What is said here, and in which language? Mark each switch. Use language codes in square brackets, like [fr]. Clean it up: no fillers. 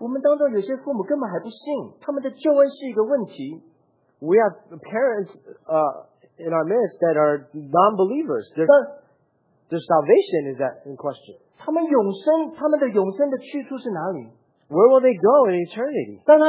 [zh] 我们当中有些父母根本还不信，他们的旧恩是一个问题。 [en] We have parents in our midst that are non-believers. Their salvation is in question. [zh] 他们的永生的去处是哪里？ [en] Where will they go in eternity?